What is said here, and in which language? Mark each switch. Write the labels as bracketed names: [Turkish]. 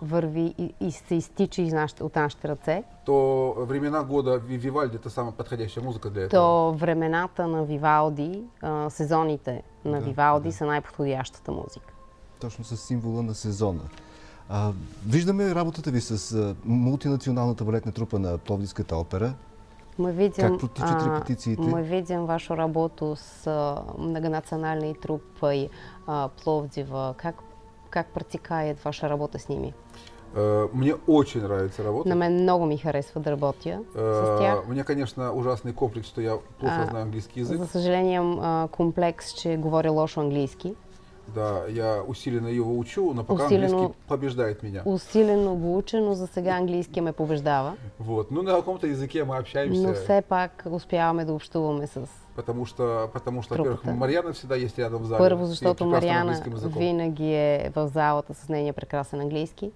[Bulgarian] Върви и се изтича от нашите ръце. [Russian] То времена года Вивалди это самая подходящая музыка для этого. [Bulgarian] То времената на Вивалди, сезоните на Вивалди са най-подходящата музика. Точно с символа на сезона. Виждаме работата ви с мултинационалната балетна трупа на Пловдивската опера. Как протичат репетициите? [Russian] Мы видим вашу работу с многонациональной трупой Пловдива. Как протекает ваша работа с ними? Мне очень нравится работать. [Bulgarian] На мен много ми харесва да работя с тях. [Russian] У меня, конечно, ужасный комплекс, что я плохо знаю английский язык. [Bulgarian] За съжаление, комплекс, че говоря лошо английски. [Russian] Да, я усиленно его учу, но пока английский побеждает меня. [Bulgarian] Усиленно го уча, но за сега английски ме побеждава. [Russian] Вот, ну на каком-то языке мы общаемся. [Bulgarian] Но все пак успяваме да общуваме с... [Russian] Потому что, во-первых, Марьяна всегда есть рядом в зале. [Bulgarian] Първо, защото Марьяна винаги е в залата с нея прекрасен английски.